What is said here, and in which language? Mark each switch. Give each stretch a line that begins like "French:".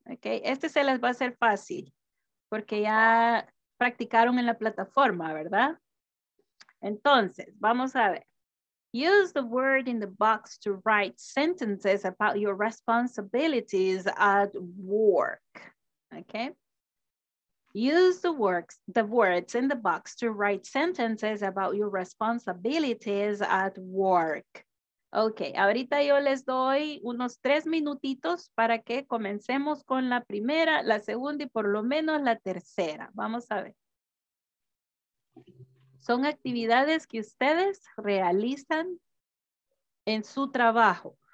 Spanish: Okay, este se les va a hacer fácil porque ya practicaron en la plataforma, ¿verdad? Entonces, vamos a ver.
English: Use the word in the box to write sentences about your responsibilities at work. Okay? Use the words in the box to write sentences about your responsibilities at work.
Spanish: Okay, ahorita yo les doy unos 3 minutitos para que comencemos con la primera, la segunda y por lo menos la tercera. Vamos a ver. Son actividades que ustedes realizan en su trabajo.